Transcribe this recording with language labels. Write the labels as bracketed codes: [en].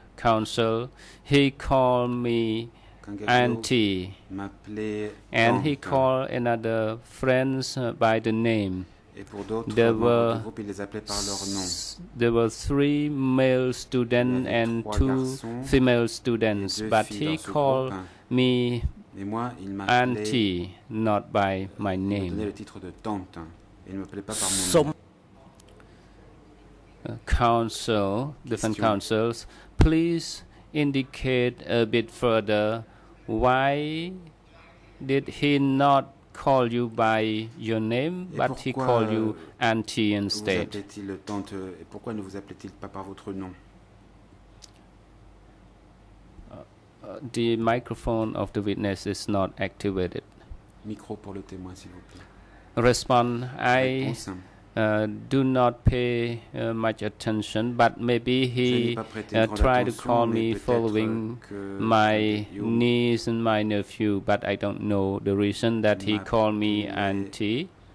[en] Counsel, he called me auntie, and he called another friends by the name. [fr] Et pour d'autres there membres du groupe, il les appelait par leur nom. [en] There were three male students and two female students, but he called me auntie, not by my name. [fr] Il me donnait le titre de tante, et il ne m'appelait pas par mon nom. [en] Counsel, different counsels, please indicate a bit further why did he not call you by your name, [fr] et [en] but he called you auntie instead. [fr] Vous appelait-il tante, et pourquoi ne vous appelait-il pas par votre nom? [en] The microphone of the witness is not activated. [fr] Micro pour le témoin, s'il vous plaît. [en] Respond, I do not pay much attention, but maybe he tried to call me following my niece and my nephew, but I don't know the reason that he called me auntie.